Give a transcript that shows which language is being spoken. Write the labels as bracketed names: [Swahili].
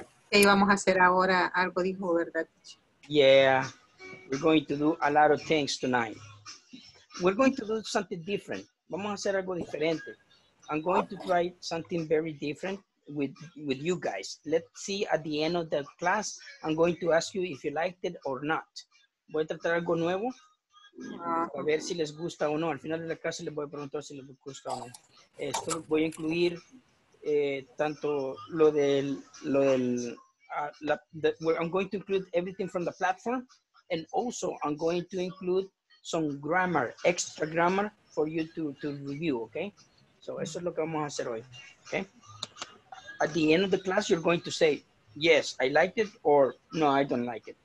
[Spanish] Hey, vamos a hacer ahora algo dijo, ¿verdad? [English] Yeah. We're going to do a lot of things tonight. We're going to do something different. [Spanish] Vamos a hacer algo diferente. [English] I'm going to try something very different with you guys. Let's see at the end of the class, I'm going to ask you if you liked it or not. [Spanish] Voy a tratar algo nuevo. A ver si les gusta o no. Al final de la clase les voy a preguntar si les gusta o no. Esto voy a incluir tanto [English] I'm going to include everything from the platform, and also I'm going to include some grammar, extra grammar for you to review, okay? [Spanish] So eso es lo que vamos a hacer hoy, okay? [English] At the end of the class, you're going to say, yes, I liked it, or no, I don't like it.